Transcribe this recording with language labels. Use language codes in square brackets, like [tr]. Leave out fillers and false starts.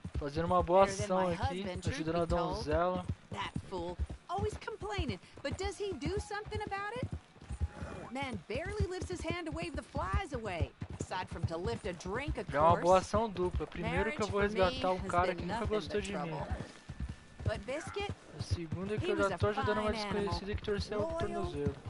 [pt] Fazendo uma boa ação aqui, ajudando a donzela. [en] That fool always complaining, but does he do something about it? Man barely lifts his hand to wave the flies away. Aside from to lift a drink, of course. [pt] É uma boa ação dupla. Primeiro que eu vou resgatar um cara que nunca gostou de mim. [en] But Biscuit, [pt] a segunda é que eu já tô ajudando uma desconhecida que torceu o tornozelo.